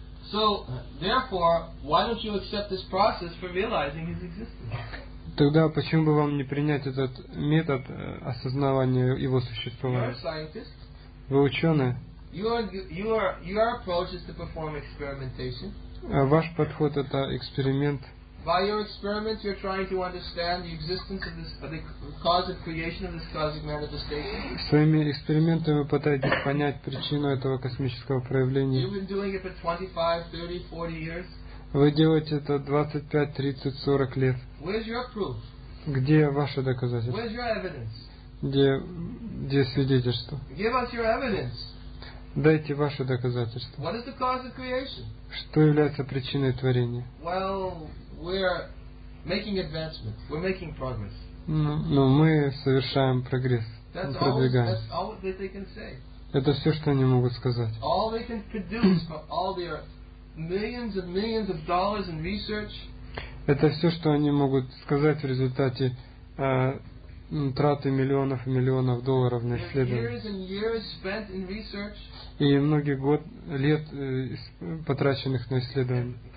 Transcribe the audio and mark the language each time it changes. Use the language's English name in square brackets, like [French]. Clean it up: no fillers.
[Russian] Тогда почему бы вам не принять этот метод осознавания Его существования? Вы ученые. [English] Your approach is to perform experimentation. [Russian] Ваш подход — это эксперимент. [English] By your experiments, you're trying to understand the existence of this, the cause of creation of this cosmic manifestation. [Russian] Своими экспериментами вы пытаетесь понять причину этого космического проявления. [English] You've been doing it for 25, 30, 40 years. [Russian] Вы делаете это 25, 30, 40 лет. [English] Where's your proof? [Russian] Где ваши доказательства? [English] Where's your evidence? [Russian] Где свидетельство? [English] Give us your evidence. [Russian] Дайте ваши доказательства. [English] What is the cause of creation? [Russian] Что является причиной творения? [English] Well, we're making advancements. We're making progress. [Russian] Ну, мы совершаем прогресс. [English] That's [Russian] мы продвигаемся. [English] All that they can say. [Russian] Это все, что они могут сказать. [English] All they can produce from all their millions and millions of dollars in research. [Russian] Это все, что они могут сказать в результате траты миллионов и миллионов долларов на исследование. И многие лет потраченных на исследование.